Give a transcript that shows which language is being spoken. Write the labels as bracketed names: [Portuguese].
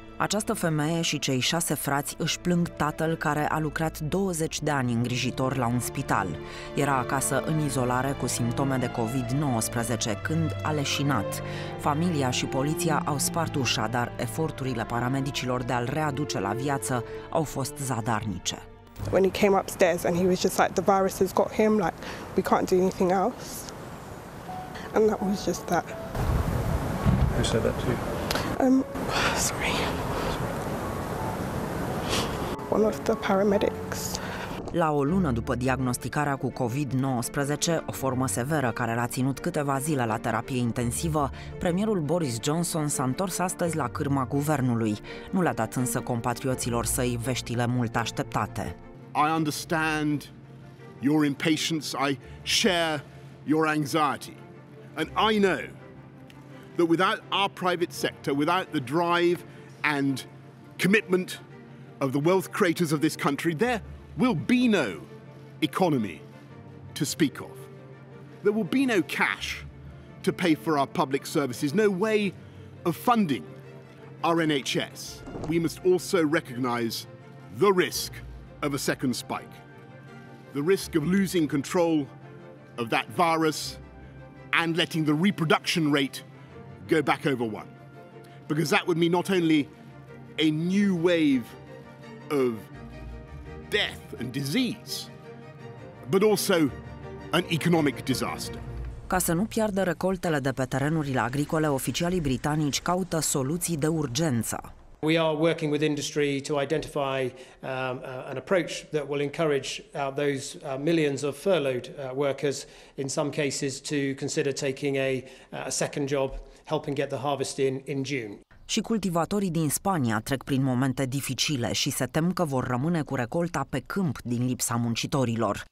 [Romanian] Această femeie și cei 6 frați își plâng tatăl care a lucrat 20 de ani îngrijitor la un spital. Era acasă în izolare cu simptome de COVID-19 când a leșinat. Familia și poliția au spart ușa, dar eforturile paramedicilor de a-l readuce la viață au fost zadarnice. [English] When he came upstairs and he was just like, the virus has got him, like, we can't do anything else. And that was just that. Who said that to you? Sorry. One of the paramedics. [Romanian] La o lună după diagnosticarea cu COVID-19, o formă severă care l-a ținut câteva zile la terapie intensivă, premierul Boris Johnson s-a întors astăzi la cârma guvernului. Nu le-a dat însă compatrioților săi veștile mult așteptate. [English] I understand your impatience, I share your anxiety. And I know that without our private sector, without the drive and commitment of the wealth creators of this country, there will be no economy to speak of. There will be no cash to pay for our public services, no way of funding our NHS. We must also recognize the risk of a second spike, the risk of losing control of that virus and letting the reproduction rate go back over one. Because that would mean not only a new wave of death and disease, but also an economic disaster. [Romanian] Ca să nu piardă recoltele de pe terenurile agricole, oficialii britanici caută soluții de urgență. [English] We are working with industry to identify an approach that will encourage those millions of furloughed workers, in some cases, to consider taking a second job, helping get the harvest in June. [Romanian] Și cultivatorii din Spania trec prin momente dificile și se tem că vor rămâne cu recolta pe câmp din lipsa muncitorilor.